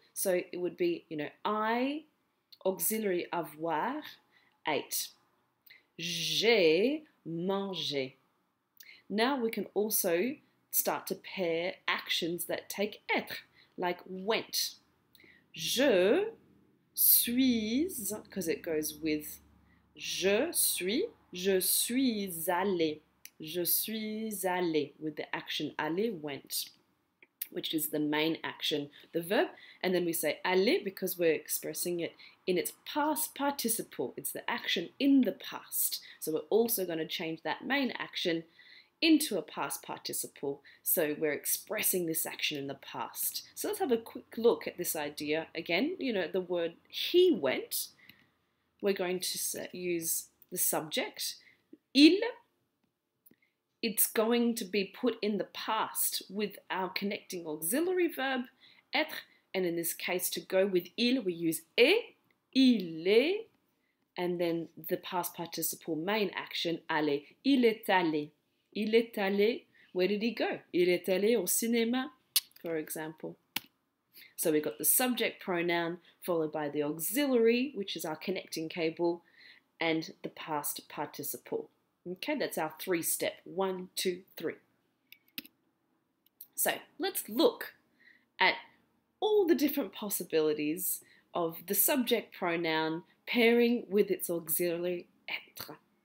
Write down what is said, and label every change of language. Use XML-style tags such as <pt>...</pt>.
<en>So it would be, you know, I, auxiliary avoir, ate.</en> <fr>J'ai mangé.</fr> <en>Now we can also start to pair actions that take être, like went.</en> <fr>Je suis,</fr> <en>because it goes with</en> <fr>je suis allé. Je suis allé,</fr> <en>with the action aller, went, which is the main action, the verb. And then we say aller because we're expressing it in its past participle. It's the action in the past. So we're also going to change that main action into a past participle. So we're expressing this action in the past. So let's have a quick look at this idea. Again, you know, the word he went, we're going to use the subject, il. It's going to be put in the past with our connecting auxiliary verb, être. And in this case, to go with il, we use est,</en> <fr>il est.</fr> <en>And then the past participle main action, aller.</en> <fr>Il est allé. Il est allé.</fr> <en>Where did he go?</en> <fr>Il est allé au cinéma,</fr> <en>for example. So we've got the subject pronoun followed by the auxiliary, which is our connecting cable, and the past participle. Okay, that's our three step. One, two, three. So let's look at all the different possibilities of the subject pronoun pairing with its auxiliary être.</en>